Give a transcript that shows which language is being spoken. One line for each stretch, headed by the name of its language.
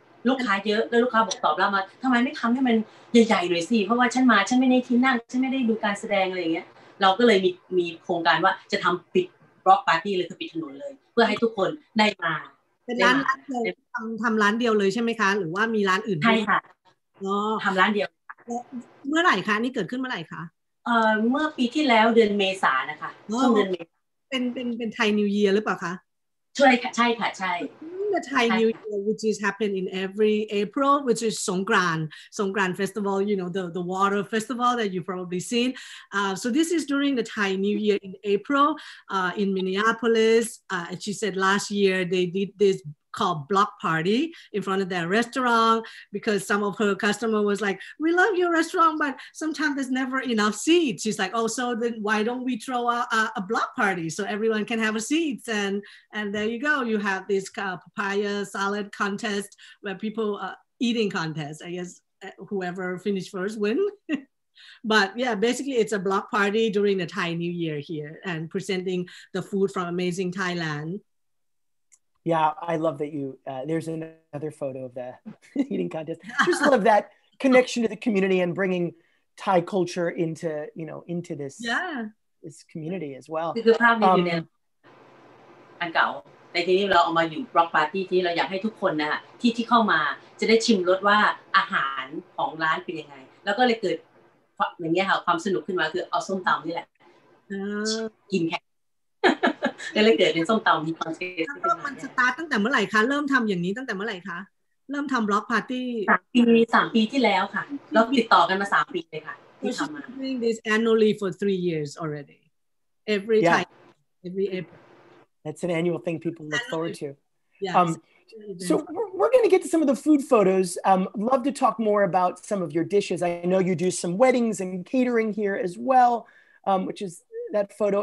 Thai: ลูกค้าเยอะแล้วลูกค้าบอกตอบเรามาทำไมไม่ทำให้มันใหญ่ๆหน่อยสิเพราะว่าฉันมาฉันไม่ได้ที่นั่งฉันไม่ได้ดูการแสดงอะไรอย่างเงี้ยเราก็เลยมีโครงการว่าจะทำปิดบล็อกปาร์ตี้เลยคือปิดถนนเลยเพื่อให้ทุกคนได้มา เป็นร้านเดียวทำร้านเดียวเลยใช่ไหมคะหรือว่ามีร้านอื่น ใช่ค่ะทำร้านเดียว เมื่อไหร่คะนี่เกิดขึ้นเมื่อไหร่คะ เมื่อปีที่แล้วเดือนเมษานะคะช่วงเดือนเมษา เป็นไทยนิวเยียร์หรือเปล่าคะ ช่วยใช่ค่ะใช่
English: The Thai New Year, which is happening in every April, which is Songkran Festival, you know, the water festival that you've probably seen. So this is during the Thai New Year in April in Minneapolis. And she said last year they did this called block party in front of their restaurant because some of her customer was like, we love your restaurant, but sometimes there's never enough seats. She's like, oh, so then why don't we throw a block party so everyone can have a seat? And there you go. You have this papaya salad contest where people are eating contest. I guess whoever finished first win. But yeah, basically it's a block party during the Thai New Year here and presenting the food from Amazing Thailand. Yeah, I love that you, there's another photo of the eating contest. Just love that connection to the community and bringing Thai culture into, you know, into this, yeah. This community as well.
Thai: คือภาพนี้อยู่ในอันเก่าในทีนี้เราเอามาอยู่บล็อกปาร์ตี้ที่เราอยากให้ทุกคนนะฮะที่เข้ามาจะได้ชิมรสว่าอาหารของร้านเป็นยังไงแล้วก็เลยเกิดอย่างเงี้ยค่ะความสนุกขึ้นมาคือเอาส้มตำนี่แหละกินแค่เล็กๆเป็นส้มตำมีความเ ซ็กซี่มันสตาร์ตตั้งแต่เมื่อไหร่คะเริ่มทำอย่างนี้ตั้งแต่เมื่อไหร่คะเริ่มทำบล็อกปาร์ตี้ 3 ปีที่แล้วค่ะแล้วติดต่อกันมา3ปีเลยค่ะที่ทำมา
English: doing this annually for 3 years already every time every April that's an annual thing people look forward to So we're going to get to some of the food photos. Love to talk more about some of your dishes. I know you do some weddings and catering here as well, which is that photo.